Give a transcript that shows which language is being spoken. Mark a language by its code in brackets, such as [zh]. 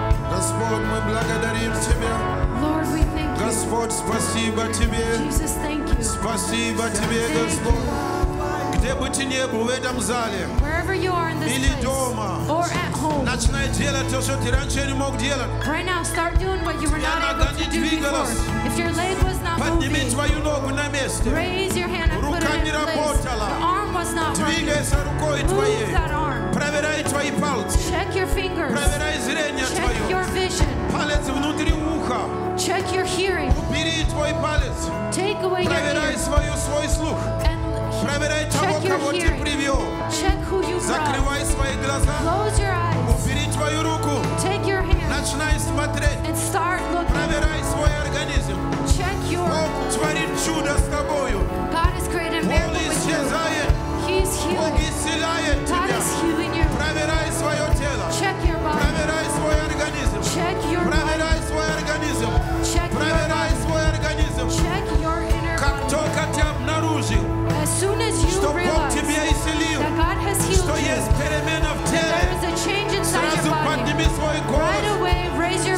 [ru] Господь, мы благодарим тебя. [en] Lord, we thank you. [ru] Господь, спасибо тебе. [en] Jesus, thank you. [ru] Спасибо тебе, Господь. Где бы ты ни был в этом зале, [en] wherever you are in this [ru] или [en] place, [ru] дома, [en] or at home, [ru] начинай делать. делать то, что ты раньше не мог делать. [en] Right now, start doing what you were not able to do before. If your leg was not moving, [ru] подними твою ногу на месте. [en] Raise your hand and put it in place. [ru] Рука не работала. [en] The arm was not working. [ru] Двигайся рукой твоей. Проверяй твои пальцы. [en] Check your fingers. [ru] Проверяй зрение твое. [en] Check your vision. [ru] Палец внутри уха. [en] Check your hearing. [ru] Убери твой палец. [en] Take away your ear. [ru] Проверяй свой слух. Проверяй того, кого ты привел. [en] Check who you brought. [ru] Закрывай свои глаза. [en] Close your eyes. [ru] Убери твою руку. [en] Take your hand. [ru] Начинай смотреть. [en] And start looking. [ru] Проверяй свой организм. [en] Check your. [ru] Бог творит чудо с тобою. [en] God is great and miracle with you. [ru] Боли исчезает. Бог исцеляет тебя. [en] God is healing you. [ru] Проверяй свое тело. [en] Check your body. [ru] Проверяй свой организм. [en] Check your body. [ru] Проверяй свой организм. [en] Check your [ru] Проверяй свой организм. [en] Check your inner body. [ru] Как только ты обнаружил. [en] As soon as you [ru] что [en] realize [ru] исцелил, [en] that God has healed you, that there is a change inside your body, right away raise your